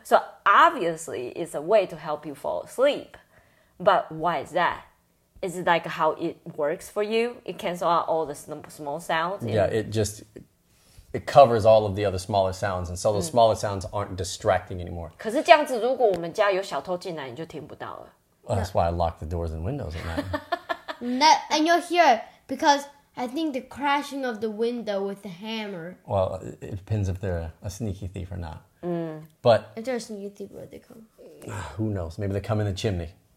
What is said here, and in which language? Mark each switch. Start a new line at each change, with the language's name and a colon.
English: So obviously it's a way to help you fall asleep. But why is that? Is it like how it works for you? It cancels out all the small sounds? Yeah, it covers all of the other smaller sounds, and so the smaller sounds aren't distracting anymore.
Chinese: 可是这样子如果我们家有小偷进来你就听不到了。
English: That's why I lock the doors and windows at night. And you'll hear it because I think the crashing of the window with the hammer. Well, it depends if they're a sneaky thief or not. But if they're a sneaky thief, where'd they come? Who knows? Maybe they come in the chimney.